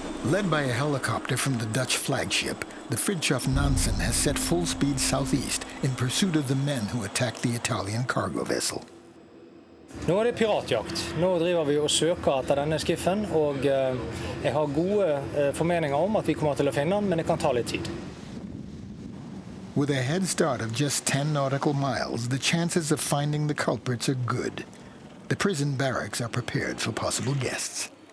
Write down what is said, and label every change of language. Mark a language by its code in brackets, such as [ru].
[en] Led by a helicopter from the Dutch flagship, the Fridtjof Nansen has set full speed southeast in pursuit of the men who attacked the Italian cargo vessel. [no] Nå er det piratjakt. Nå driver vi og søker etter denne skiffen, og jeg har gode formeninger om at vi kommer til å finne den, men det kan ta litt tid. [en] With a head start of just 10 nautical miles, the chances of finding the culprits are good. The prison barracks are prepared for possible guests.